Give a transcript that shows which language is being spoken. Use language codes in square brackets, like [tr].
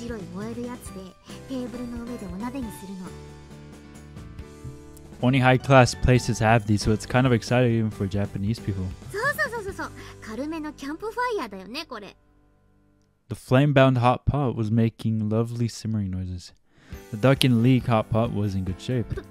[en] This red-glowing thing is used to cook on the table. Only high class places have these, so it's kind of exciting even for Japanese people. [ja] そうそうそうそうそう。軽めのキャンプファイヤーだよね、これ。 [en] The flame-bound hot pot was making lovely simmering noises. The duck and leek hot pot was in good shape.